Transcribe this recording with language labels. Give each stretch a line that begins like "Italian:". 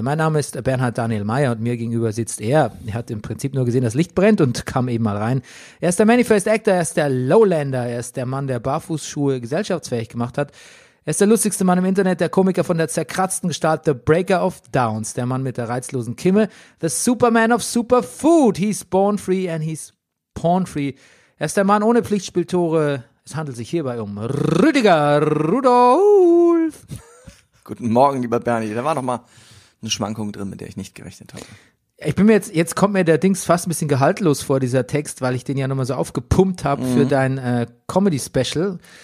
German: Mein Name ist Bernhard Daniel Mayer und mir gegenüber sitzt er. Er hat im Prinzip nur gesehen, dass Licht brennt und kam eben mal rein. Er ist der Manifest Actor, er ist der Lowlander, er ist der Mann, der Barfußschuhe gesellschaftsfähig gemacht hat. Er ist der lustigste Mann im Internet, der Komiker von der zerkratzten Gestalt,
English: the Breaker of Downs,
German: der Mann mit der reizlosen Kimme,
English: the Superman of Superfood. He's born free and he's porn free.
German: Er ist der Mann ohne Pflichtspieltore. Es handelt sich hierbei um Rüdiger Rudolf. Guten Morgen, lieber Bernie. Da war nochmal eine Schwankung drin, mit der ich nicht gerechnet habe. Ich bin mir jetzt kommt mir der Dings fast ein bisschen gehaltlos vor, dieser Text, weil ich den ja nochmal so aufgepumpt habe für dein Comedy-Special.